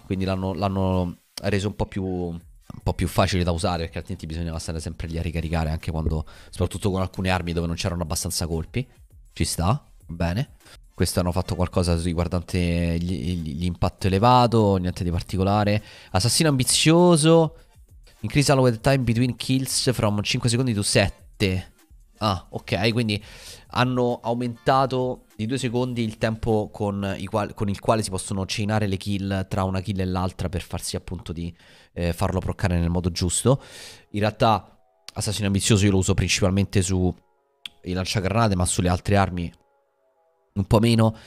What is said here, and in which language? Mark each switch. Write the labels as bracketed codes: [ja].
[it] Quindi l'hanno reso un po' più facile da usare, perché altrimenti bisognava stare sempre lì a ricaricare, anche quando, soprattutto con alcune armi dove non c'erano abbastanza colpi. Ci sta, bene. Questo hanno fatto qualcosa riguardante l'impatto elevato, niente di particolare. [en] Assassino ambizioso, increase allowed time between kills from 5 secondi to 7. [it] Ah, ok, quindi hanno aumentato di 2 secondi il tempo con il quale si possono chainare le kill tra una kill e l'altra, per farsi appunto di farlo proccare nel modo giusto. In realtà assassino ambizioso io lo uso principalmente su i lanciagranate, ma sulle altre armi un po' meno.